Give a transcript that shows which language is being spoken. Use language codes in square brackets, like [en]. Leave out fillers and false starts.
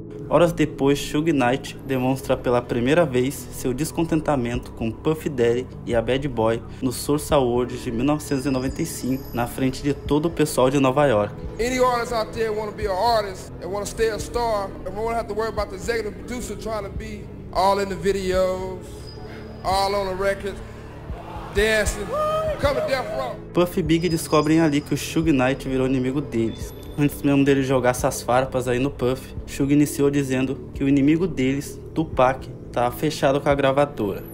[pt] Horas depois, Suge Knight demonstra pela primeira vez seu descontentamento com Puff Daddy e a Bad Boy no Source Awards de 1995, na frente de todo o pessoal de Nova York. [en] Any artist out there want to be an artist and want to stay a star, and won't have to worry about the executive producer trying to be all in the videos, all on the records, dancing, coming down from. [pt] Puff e Big descobrem ali que o Suge Knight virou inimigo deles. Antes mesmo dele jogar essas farpas aí no Puff, Suge iniciou dizendo que o inimigo deles, Tupac, tava fechado com a gravadora.